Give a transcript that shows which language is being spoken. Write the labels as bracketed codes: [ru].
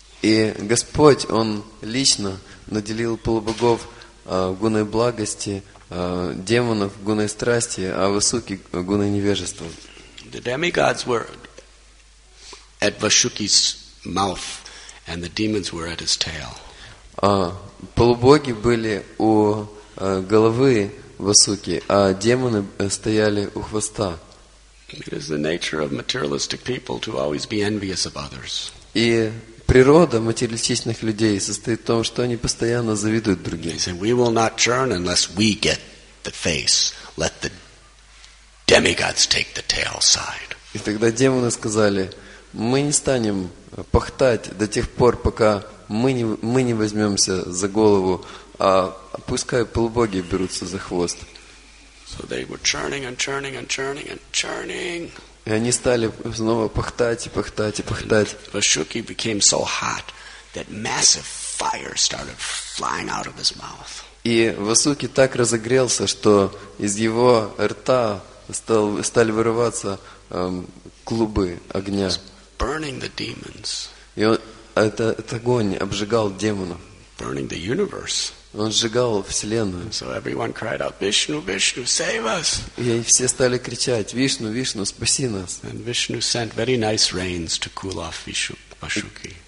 [ru] И Господь, он лично наделил полубогов гуной благости, демонов гуной страсти, а Васуки гуной невежества. [en] The demigods were at Vasuki's mouth, and the demons were at his tail. [ru] Полубоги были у головы Васуки, а демоны стояли у хвоста. [en] It is the nature of materialistic people to always be envious of others. [ru] И природа материалистичных людей состоит в том, что они постоянно завидуют другим. [en] They say, we will not churn unless we get the face. Let the demigods take the tail side. [ru] И тогда демоны сказали: мы не станем пахтать до тех пор, пока мы не возьмемся за голову, а пускай полубоги берутся за хвост. [en] So they were churning and churning and churning and churning. [ru] И они стали снова пахтать и пахтать и пахтать. [en] Vasuki became so hot that massive fire started flying out of his mouth. [ru] И Васуки так разогрелся, что из его рта стали вырываться клубы огня. [en] Burning the demons. [ru] И этот огонь обжигал демонов. [en] Burning the universe. [ru] Он сжигал вселенную. [en] So everyone cried out, Vishnu, Vishnu, save us! [ru] И все стали кричать: Вишну, Вишну, спаси нас! [en] And Vishnu sent very nice rains to cool off Vasuki.